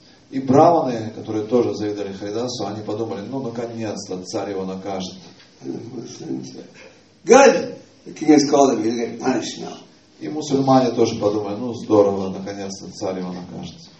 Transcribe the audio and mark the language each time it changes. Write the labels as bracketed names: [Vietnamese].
[Russian] И браманы, которые тоже завидовали Харидасу, они подумали, ну наконец-то царь его накажет. [English] Good! The king has called him, he'll get punished now. [Russian] И мусульмане тоже подумали, ну здорово, наконец-то царь его накажет.